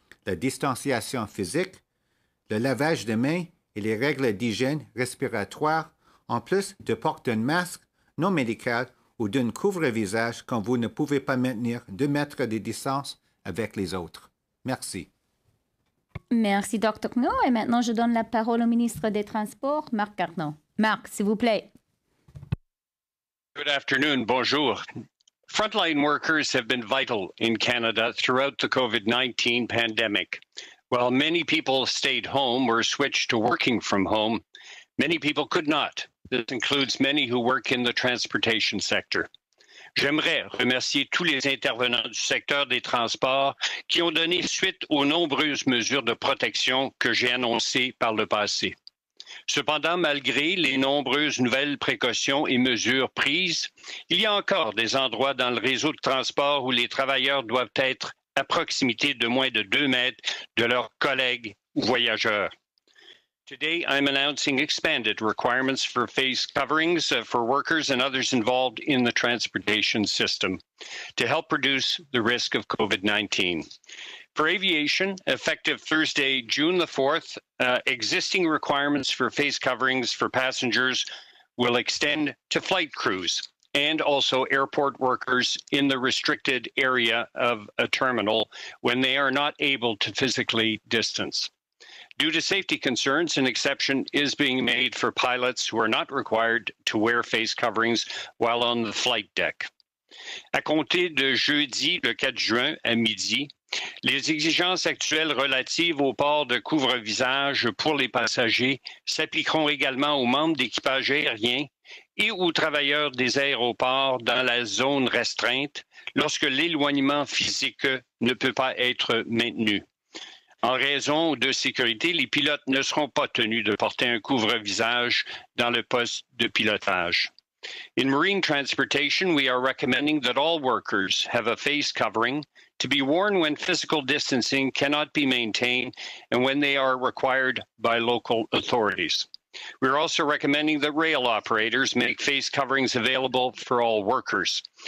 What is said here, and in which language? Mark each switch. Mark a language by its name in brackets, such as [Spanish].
[French] La distanciation physique, le lavage de mains et les règles d'hygiène respiratoire, en plus de porter un masque non médical ou d'un couvre-visage quand vous ne pouvez pas maintenir 2 mètres de distance avec les autres. Merci. Merci, Dr. Kno. Et maintenant, je donne la parole au ministre des Transports, Marc Garneau. Marc, s'il vous plaît. [English] Good afternoon. Bonjour. Frontline workers have been vital in Canada throughout the COVID-19 pandemic. While many people stayed home or switched to working from home, many people could not. This includes many who work in the transportation sector. [French] J'aimerais remercier tous les intervenants du secteur des transports qui ont donné suite aux nombreuses mesures de protection que j'ai annoncées par le passé. Cependant, malgré les nombreuses nouvelles précautions et mesures prises, il y a encore des endroits dans le réseau de transport où les travailleurs doivent être à proximité de moins de 2 mètres de leurs collègues ou voyageurs. [English] Today, I'm announcing expanded requirements for face coverings for workers and others involved in the transportation system to help reduce the risk of COVID-19. For aviation, effective Thursday, June the 4th, existing requirements for face coverings for passengers will extend to flight crews and also airport workers in the restricted area of a terminal when they are not able to physically distance. Due to safety concerns, an exception is being made for pilots who are not required to wear face coverings while on the flight deck. [French] À compter de jeudi le 4 juin à midi, les exigences actuelles relatives au port de couvre-visage pour les passagers s'appliqueront également aux membres d'équipage aérien et aux travailleurs des aéroports dans la zone restreinte lorsque l'éloignement physique ne peut pas être maintenu. En raison de sécurité, les pilotes ne seront pas tenus de porter un couvre-visage dans le poste de pilotage. [English] In marine transportation, we are recommending that all workers have a face covering to be worn when physical distancing cannot be maintained and when they are required by local authorities. We are also recommending that rail operators make face coverings available for all workers.